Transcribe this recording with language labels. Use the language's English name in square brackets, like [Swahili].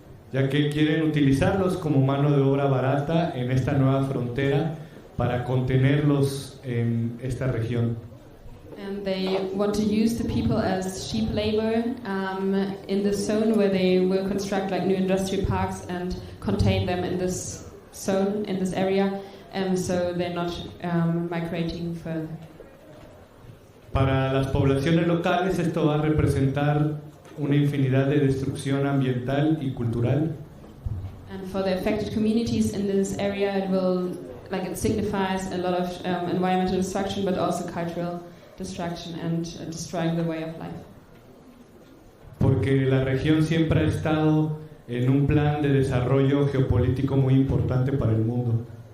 [Spanish] Ya que quieren utilizarlos como mano de obra barata en esta nueva frontera para contenerlos en esta región. [English] And they want to use the people as sheep labor in the zone where they will construct like new industrial parks and contain them in this zone, in this area, so they're not migrating further. [Spanish] Para las poblaciones locales esto va a representar una infinidad de destrucción ambiental y cultural. [English] And for the affected communities in this area, it will like it signifies a lot of environmental destruction, but also cultural destruction and destroying the way of life. [Spanish] Porque la región siempre ha estado en un plan de desarrollo geopolítico muy importante para el mundo.